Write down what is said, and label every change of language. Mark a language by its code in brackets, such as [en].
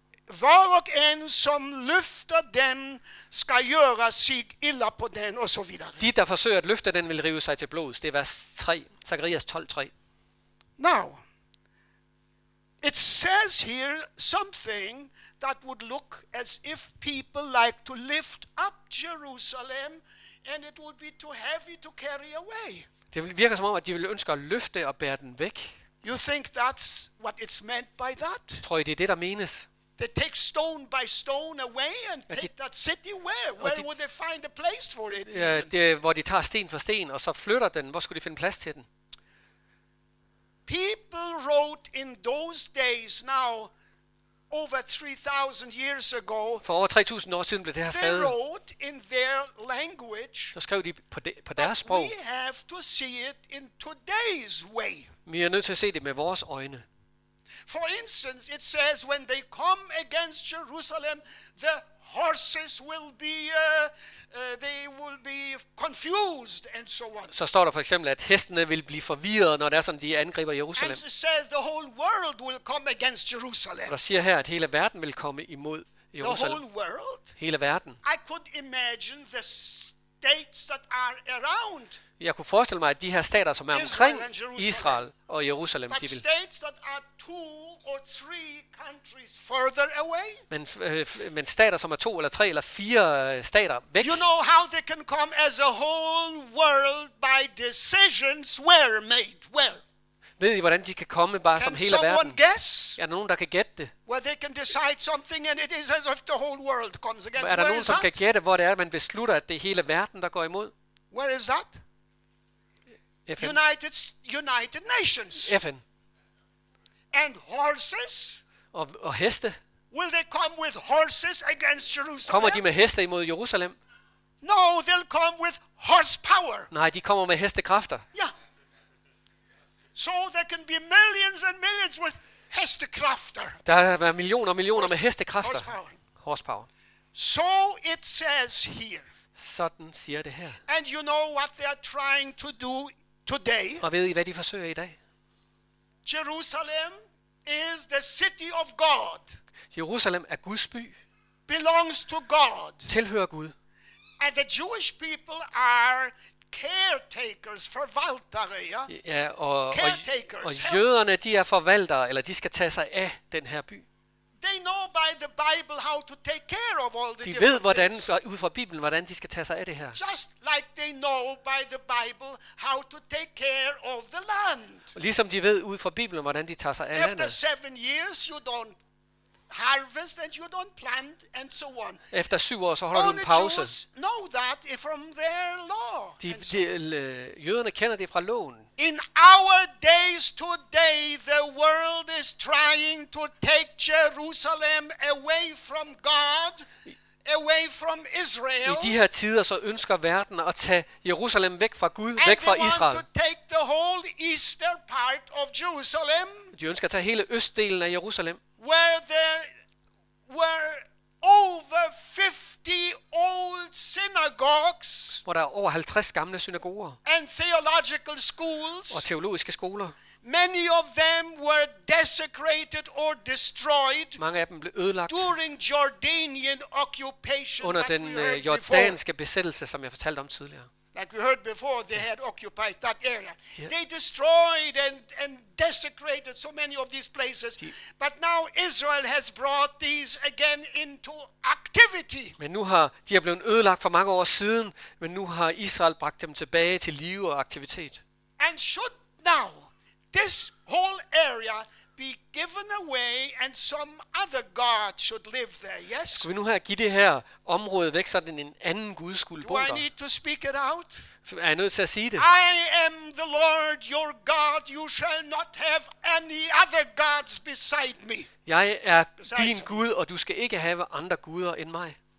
[sv] Var och en som lyfter den ska göra sig illa på den och så vidare. De der försöker att lyfta den vill riva sig till blods. Det är vers 3, Zakarias 12:3. [en] Now. It says here something that would look as if people like to lift up Jerusalem and it would be too heavy to carry away. [da] Det virker som om at de ville ønske at løfte og bære den væk. [en] You think that's what it's meant by that? [da] Tror I det er det der menes? [en] They take stone by stone away and take that city away. Where would they find a place for it? [da] Ja, det er, hvor de tager sten for sten og så flytter den. Hvor skulle de finde plads til den? [en] People wrote in those days now over 3000 years ago. [da] For over 3000 år siden blev det her skrevet. [en] They wrote in their language. [da] Så skrev de på deres sprog. [en] We have to see it in today's way. [da] Vi er nødt til at se det med vores øjne. [en] For instance, it says when they come against Jerusalem, the horses will be they will be confused and so on. [da] Så står der for eksempel at hestene vil blive forvirret når det er sådan de angriber Jerusalem. [en] And it says the whole world will come against Jerusalem. [da] Der siger her at hele verden vil komme imod Jerusalem. [en] The whole world? [da] Hele verden. [en] I could imagine the states that are around. [da] Jeg kunne forestille mig at de her stater som er omkring Israel og Jerusalem, de vil. [en] States that are two or three countries further away? [da] Men stater som er to eller tre eller fire stater væk. [en] You know how they can come as a whole world by decisions were made. Well. [da] Ved I hvordan de kan komme bare som hele verden? [en] Guess? [da] Er der nogen der kan gætte det? [en] Where they can decide something and it is as if the whole world comes against. [da] Er der nogen som [en] that? [da] Kan gætte hvor det er man beslutter at det er hele verden der går imod? [en] Where is that? [da] FN. [en] United Nations. [da] FN. [en] And horses? [da] Og heste? [en] Will they come with horses against Jerusalem? [da] Kommer de med heste imod Jerusalem? [en] No, they'll come with horsepower. [da] Nej, de kommer med hestekræfter. [en] Yeah. So there can be millions and millions with hestekræfter. [da] Der kan være millioner og millioner med hestekræfter. [en] Horsepower. So it says here. [da] Sådan siger det her. [en] And you know what they are trying to do today? [da] Og ved I hvad de forsøger i dag? [en] Jerusalem is the city of God. [da] Jerusalem er Guds by. [en] Belongs to God. [da] Tilhører Gud. [en] And the Jewish people are caretakers for Valtaria. [da] Ja, og jøderne, de er forvaltere, eller de skal tage sig af den her by. [en] They know by the Bible how to take care of all the [da] de ved hvordan ud fra Bibelen hvordan de skal tage sig af det her. [en] Just like they know by the Bible how to take care of the land. [da] Ligesom de ved ud fra Bibelen hvordan de tager sig af landet. [en] After 7 years you don't harvest and you don't plant and so on. [da] Efter 7 år så holder du en pause. [en] Jews know that from their law. [da] Jøderne kender det fra loven. [en] In our days today, the world is trying to take Jerusalem away from God, away from Israel. [da] I de her tider så ønsker verden at tage Jerusalem væk fra Gud, væk fra Israel. [en] And they want to take the whole eastern part of Jerusalem. [da] De ønsker at tage hele østdelen af Jerusalem. [en] Where there were over 50 old synagogues, [da] hvor der er over 50 gamle synagoger, [en] and theological schools, [da] og teologiske skoler. [en] Many of them were desecrated or destroyed. [da] Mange af dem blev ødelagt [en] during Jordanian occupation. [da] Under den jordanske besættelse, som jeg fortalte om tidligere. [en] Like we heard before, they had occupied that area. Yeah. They destroyed and desecrated so many of these places. But now Israel has brought these again into activity. [da] Men nu har de er blevet ødelagt for mange år siden, men nu har Israel bragt dem tilbage til liv og aktivitet. [en] And should now this whole area be given away and some other god should live there? Yes. [da] Skal vi nu her give det her område væk, så den en anden gud skulle bo der? [en] Do I need to speak it out? [da] Er jeg nødt til at sige det? [en] I am the Lord your God. You shall not have any other gods beside me. [da] Jeg er din Gud, og du skal ikke have andre guder end mig.